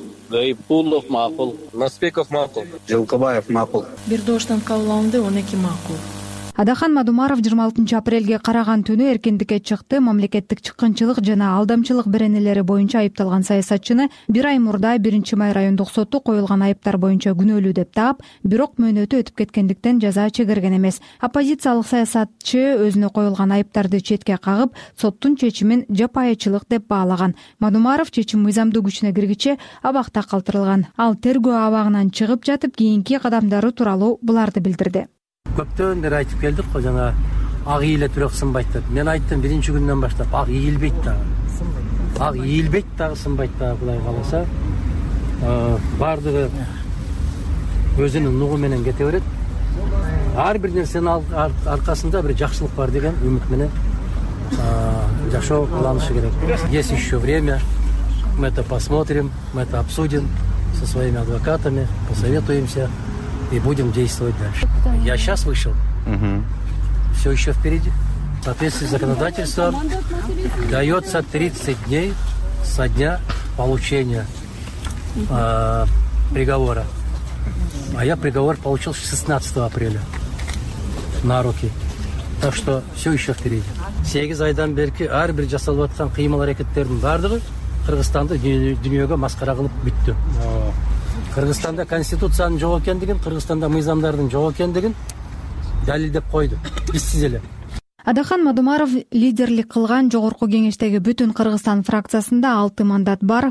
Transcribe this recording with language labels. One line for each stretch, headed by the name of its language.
Kyrgyz: Гайпулов макул. Насбеков макул. Жылкыбаев макул. Бир добуштан кабыл алынды, 12 макул. Адахан Мадумаров 26 апрелге караган түнү эркиндикке чыкты, мамлекеттик чыккынчылык жана алдамчылык беренелери боюнча айыпталган саясатчыны бир ай мурда 1 май райондук соту коюлган айыптар боюнча күнөөлүү деп таап, бирок мөөнөтү өтүп кеткендиктен жаза чегерген эмес. Оппозициялык саясатчы өзүнө коюлган айыптарды четке кагып, соттун чечимин жапайычылык деп баалаган. Мадумаров чечим мыйзамдуу күчүнө киргиче абакта калтырылган. Ал тергөө абагынан чыгып жатып, кийинки кадамдары тууралуу буларды билдирди. Көптөн бери айтып келдик го, жана ак ийиле түрөк сынбайт деп. Мен айттым биринчи күндөн баштап, ак ийилбейт дагы. Ак ийилбейт дагы, сынбайт дагы, Кудай кааласа. Бардыгы өзүнүн нугу менен кете берет. Ар бир нерсенин аркасында бир жакшылык бар деген үмүт менен жашоо планышы керек.
Russian: Есть еще время. Мы это посмотрим, мы это обсудим со своими адвокатами, посоветуемся. И будем действовать дальше. Я сейчас вышел. Все еще впереди. В соответствии с законодательством дается 30 дней со дня получения приговора. А я приговор получил 16 апреля на руки. Так что все еще впереди.
Kyrgyz: 8 айдан берки ар бир жасалып аткан кыймыл аракеттердин бардыгы Кыргызстанды дүйнөгө маскара кылып бүттү. Кыргызстанда конституциянын жок экендигин, Кыргызстанда мыйзамдардын жок экендигин далилдеп койду. Бизсиз эле. Адахан Мадумаров лидерлик кылган жогорку кеңештеги бүтүн Кыргызстан фракциясында 6 мандат бар.